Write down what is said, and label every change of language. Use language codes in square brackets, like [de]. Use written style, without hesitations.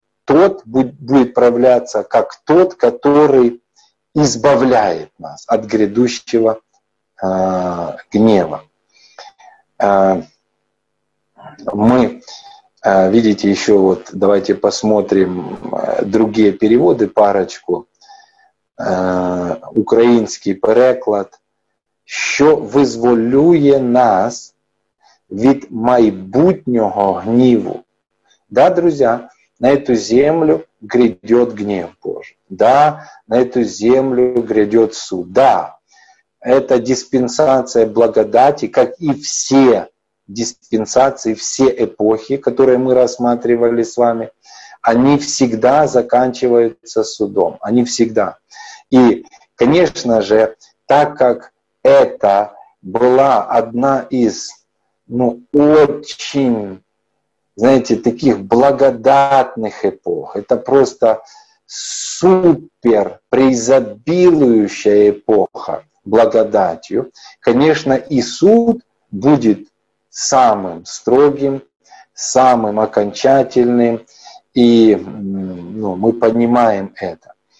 [ru] тот будет проявляться как тот, который избавляет нас от грядущего гнева. Мы, видите, еще вот давайте посмотрим другие переводы, парочку. [uk] Український переклад, що визволює нас від майбутнього гніву. Да, друзі, на цю землю грядє гнів Божий. Да, на цю землю грядє суд. Да, це диспенсація благодаті, як і всі диспенсації, всі епохи, які ми розглядали з вами, вони завжди закінчуються судом. Вони завжди. [ru] И, конечно же, так как это была одна из, ну, очень, знаете, таких благодатных эпох, это просто супер преизобилующая эпоха благодатью, конечно, и суд будет самым строгим, самым окончательным, и, ну, мы понимаем это.